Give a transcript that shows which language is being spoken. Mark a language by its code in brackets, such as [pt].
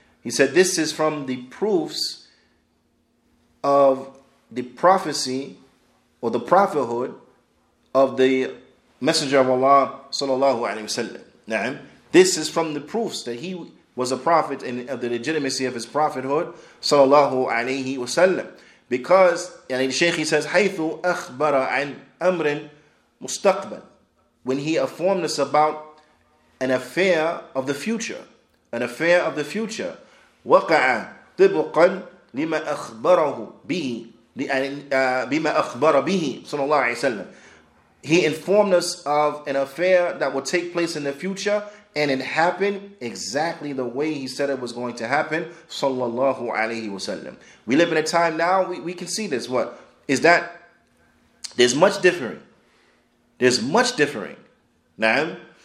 [en] He said, this is from the proofs of the prophecy or the prophethood of the Messenger of Allah صلى الله عليه وسلم. [ar] نعم. [en] This is from the proofs that he was a prophet and of the legitimacy of his prophethood صلى الله عليه وسلم. Because, [ar] يعني الشيخ, [en] he says, [ar] حيث أخبر عن أمر مستقبل. [en] When he informed us about an affair of the future. An affair of the future. [ar] وَقَعَ طِبُقًا لِمَا أَخْبَرَهُ بِهِ بِمَا أَخْبَرَ بِهِ صلى الله عليه وسلم. [en] He informed us of an affair that would take place in the future, and it happened exactly the way he said it was going to happen, صلى الله عليه وسلم. We live in a time now, we can see this. What? Is that there's much differing. There's much differing. Na'am?